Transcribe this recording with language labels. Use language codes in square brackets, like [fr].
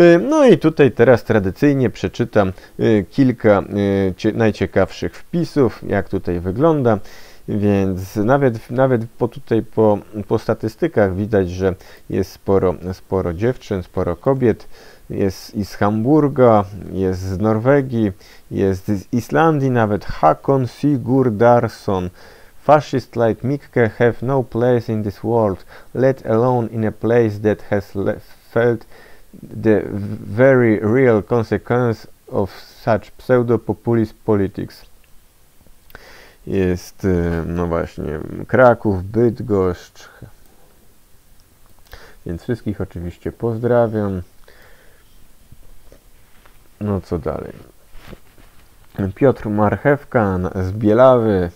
[pl] No i tutaj teraz tradycyjnie przeczytam kilka najciekawszych wpisów, jak tutaj wygląda. Więc nawet po statystykach widać, że jest sporo dziewczyn, sporo kobiet. Jest i z Hamburga, jest z Norwegii, jest z Islandii nawet. Hakon Sigurdarson. [en] Fascists like Mikke have no place in this world, let alone in a place that has felt the very real consequence of such pseudo-populist politics. [pl] Jest, no właśnie, Kraków, Bydgoszcz. Więc wszystkich oczywiście pozdrawiam. No co dalej? Piotr Marchewka z Bielawy.